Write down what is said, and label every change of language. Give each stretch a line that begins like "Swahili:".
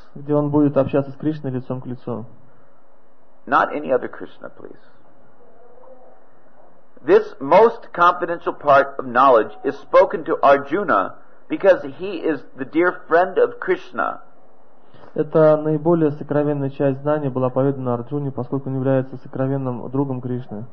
Russian: Где он будет общаться с Кришной лицом к лицу.
English: Not any other Krishna, please. This most confidential part of knowledge is spoken to Arjuna because he is the dear friend of Krishna.
Russian: Эта наиболее сокровенная часть знания была поведана Арджуне, поскольку он является сокровенным другом Кришны.